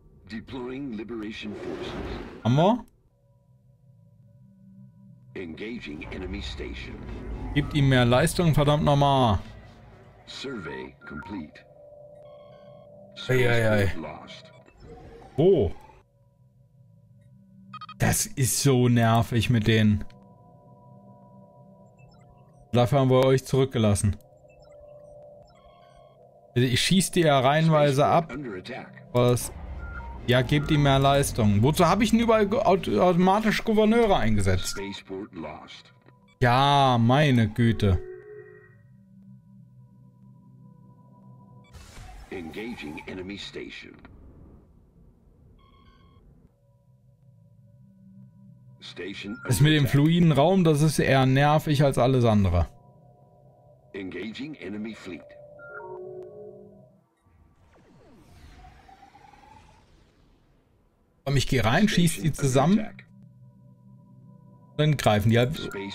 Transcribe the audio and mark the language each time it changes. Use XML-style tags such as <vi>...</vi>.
<en>Deploying Liberation Forces. Hammer. Engaging enemy station.</en> <de>Gibt ihm mehr Leistung, verdammt nochmal.</de> <en>Survey complete. Eieiei. Wo? Oh.</en> <de>Das ist so nervig mit denen. Dafür haben wir euch zurückgelassen. Ich schieße die ja reihenweise ab. Was? Ja, gebt ihm mehr Leistung. Wozu habe ich denn überall automatisch Gouverneure eingesetzt?</de> <en>Spaceport lost.</en> <de>Ja, meine Güte.</de> <en>Engaging enemy station.</en> <de>Station das mit dem fluiden Raum, das ist eher nervig als alles andere.</de> <en>Engaging enemy fleet.</en> <de>Ich gehe rein, schieße die zusammen. Dann greifen die halt.</de>